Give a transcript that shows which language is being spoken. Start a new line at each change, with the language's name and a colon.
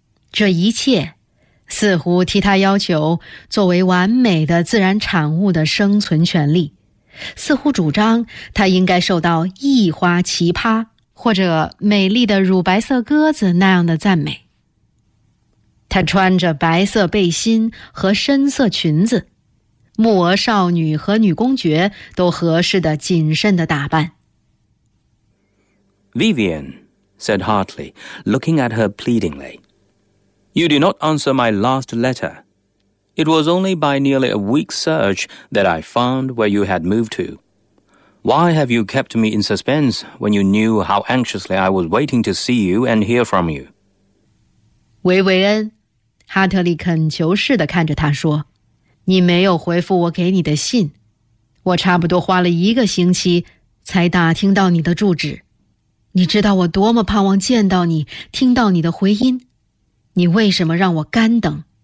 Chinese: 这一切似乎替他要求作为完美的自然产物的生存权利，似乎主张他应该受到异花奇葩或者美丽的乳白色鸽子那样的赞美。他穿着白色背心和深色裙子，木鹅少女和女公爵都合适的谨慎的打扮。
English: Vivian, said Hartley, looking at her pleadingly, you did not answer my last letter. It was only by nearly a week's search that I found where you had moved to. Why have you kept me in suspense when you knew how anxiously I was waiting to see you and hear from you?
Chinese: 维维恩，哈特利恳求似的看着他说，你没有回复我给你的信，我差不多花了一个星期才打听到你的住址。你知道我多么盼望见到你，听到你的回音，你为什么让我干等？